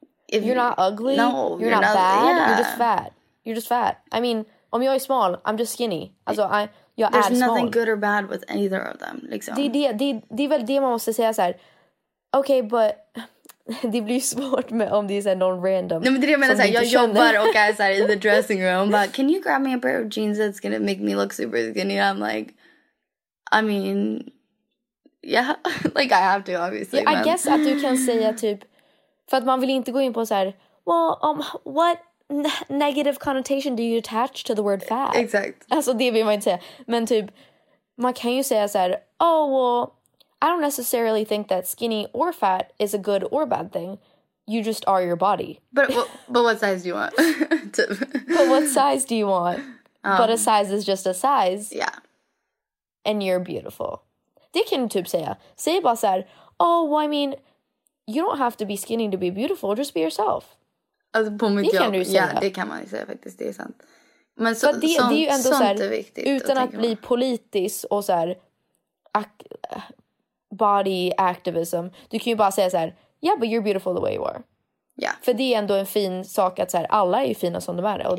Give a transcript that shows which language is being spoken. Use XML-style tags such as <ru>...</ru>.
<en>If you're not ugly, no, you're not bad. Yeah. You're just fat. You're just fat. I mean,</en> <sv>om jag är</sv> <en>small, I'm just skinny.</en> <sv>Alltså,</sv> <en>there's nothing good or bad with either of them.</en> <sv>Liksom. Det är väl det man måste säga så här. Okej,</sv> <en>okay, but</en> <sv>det blir svårt med om det är så någon random. Nej, men det är det jag menar, så här, jag jobbar och är så här,</sv> <en>in the dressing room. But can you grab me a pair of jeans that's gonna make me look super skinny? I'm like, I mean, yeah, like I have to obviously. Yeah, I guess</en> <sv>att du kan säga typ, för att man vill inte gå in på så här,</sv> <en>well, what negative connotation do you attach to the word fat?</en> <sv>Exakt. Alltså det vill man inte säga. Men typ, man kan ju säga så här,</sv> <en>oh well, I don't necessarily think that skinny or fat is a good or bad thing. You just are your body. But what size do you want? Typ. But what size do you want? But a size is just a size. Yeah. And you're beautiful.</en> <sv>Det kan typ säga. Säg bara så här,</sv> <en>oh well, I mean, you don't have to be skinny to be beautiful. Just be yourself.</en> <sv>Alltså på mitt jobb, ja det kan man ju säga faktiskt, det är sant. Men så, det, sånt, det är ju ändå såhär, utan att bli politisk och såhär body activism, du kan ju bara säga så här,</sv> <en>yeah but you're beautiful the way you are. Yeah.</en> <sv>För det är ändå en fin sak att så här, alla är ju fina som de är. Och,</sv>